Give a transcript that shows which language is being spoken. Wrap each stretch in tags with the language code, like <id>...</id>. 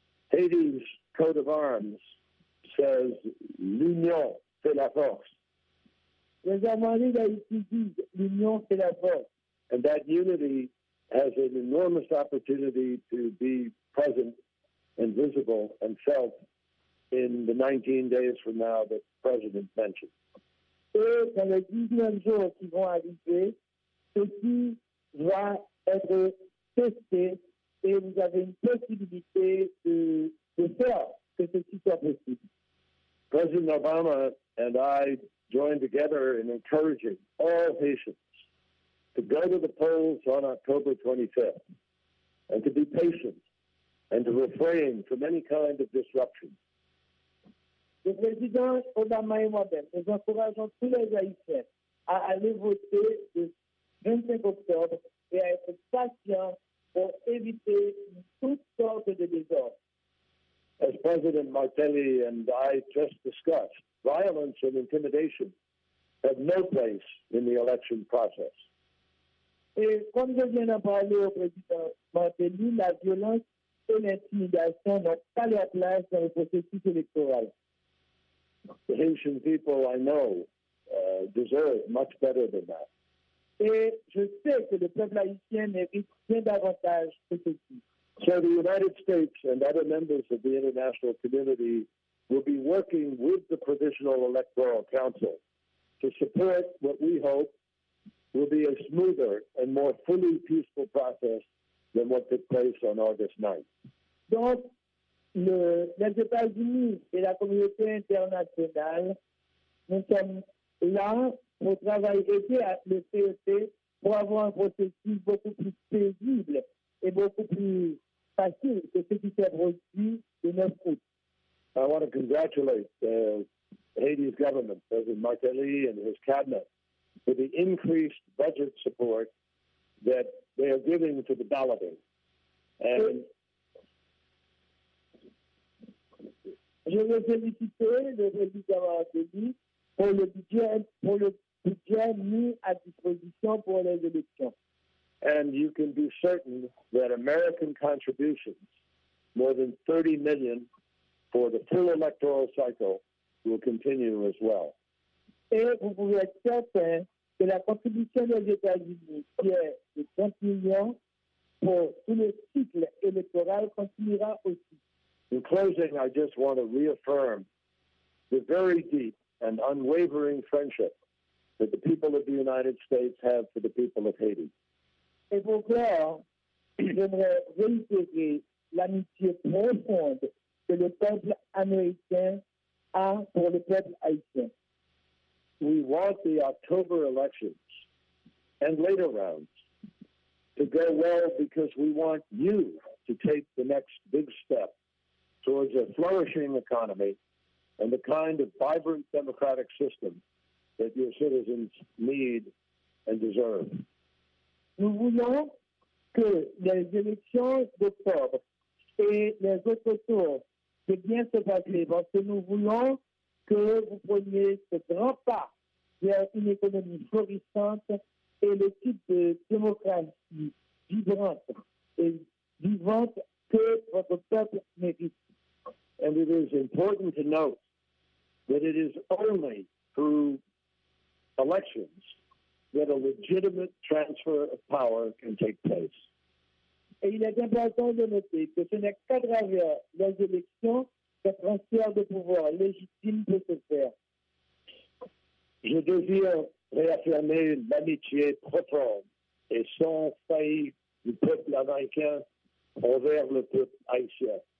<en>Haiti's coat of arms says</en> <fr>l'union fait la force. Les armoiries d'Haïti disent l'union fait la force.</fr> <en>And that unity has an enormous opportunity to be present and visible and felt in the 19 days from now that the president mentioned.</en> <fr>Et dans les 19 jours qui vont arriver, ceci doit être testée et vous avez une possibilité de faire que ceci soit possible.</fr> <en>President Obama and I joined together in encouraging all patients to go to the polls on October 25th and to be patient and to refrain from any kind of disruption.</en> <fr>Le président Obama et moi-même, nous encourageons tous les Haïtiens à aller voter le 25 octobre et à être patients pour éviter toutes sortes de désordres.</fr> <en>As President Martelly and I just discussed, violence and intimidation have no place in the election process.</en> <fr>Et comme je viens d'en parler au président Martelly, la violence et l'intimidation n'ont pas leur place dans le processus électoral.</fr> <en>The Haitian people, I know, deserve much better than that.</en> <fr>Et je sais que le peuple haïtien mérite bien davantage que ceci.</fr> <en>So the United States and other members of the international community will be working with the Provisional Electoral Council to support what we hope will be a smoother and more fully peaceful process than what took place on August 9th.</en> <fr>Donc, les États-Unis et la communauté internationale, nous sommes là pour travailler avec le CEP pour avoir un processus beaucoup plus paisible et beaucoup plus facile que ce qui s'est produit le 9 août.</fr> <en>I want to congratulate Haiti's government, President Martelly and his cabinet, for the increased budget support that they are giving to the balloting. And</en> <fr>je veux féliciter le président Martelly pour le budget mis à disposition pour les élections.</fr> <en>And you can be certain that American contributions, more than 30 million for the full electoral cycle, will continue as well.</en> <fr>Et vous pouvez être certain que la contribution des États-Unis, qui est de 30 millions pour tout le cycle électoral, continuera aussi.</fr> <en>In closing, I just want to reaffirm the very deep and unwavering friendship that the people of the United States have for the people of Haiti.</en> <fr>Et pour clair, j'aimerais réitérer l'amitié profonde que le peuple américain a pour le peuple haïtien.</fr> <en>We want the October elections and later rounds to go well because we want you to take the next big step towards a flourishing economy and the kind of vibrant democratic system that your citizens need and deserve.</en> <fr>Nous voulons que les élections d'octobre et les autres tours se bien se passer parce que nous voulons que vous preniez ce grand pas vers une économie florissante et le type de démocratie vibrante et vivante que votre peuple mérite.</fr> <en>And it is important to note that it is only through elections that a legitimate transfer of power can take place.</en> <fr>Et il est important de noter que ce n'est qu'à travers les élections qu'un transfert de pouvoir légitime peut se faire. Je désire réaffirmer l'amitié profonde et sans faillite du peuple américain envers le peuple haïtien.</fr>